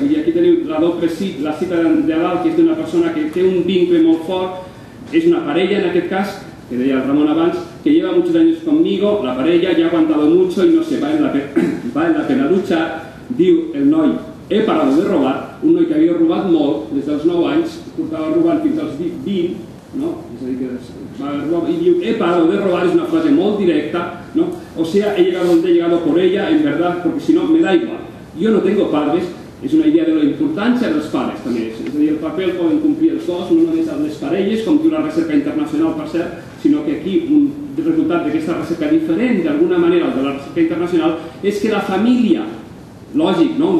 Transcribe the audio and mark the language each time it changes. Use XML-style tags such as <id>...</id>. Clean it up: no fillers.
<ca>Vull dir, aquí teniu la doble cita, la cita de dalt, que és d'una persona que té un vincle molt fort, és una parella en aquest cas, que deia el Ramon abans, que</ca> <es>lleva muchos años conmigo,</es> <ca>la parella</ca> <es>ya ha aguantado mucho y no sé, vale la pena luchar,</es> <ca>diu el noi,</ca> <es>he parado de robar,</es> <ca>un noi que havia robat molt, des dels 9 anys, portava robant fins als 20, no? És a dir, que va robar, i diu,</ca> <es>he parado de robar,</es> <ca>és una frase molt directa, no?</ca> <es>O sea, he llegado donde he llegado por ella, en verdad, porque si no, me da igual. Yo no tengo padres,</es> <ca>és una idea de la importància dels pares, també. És a dir, el paper el poden complir els dos, no només les parelles, com diu la recerca internacional, per cert, sinó que aquí un resultat d'aquesta recerca diferent, d'alguna manera, de la recerca internacional, és que la família, lògic, no?</ca>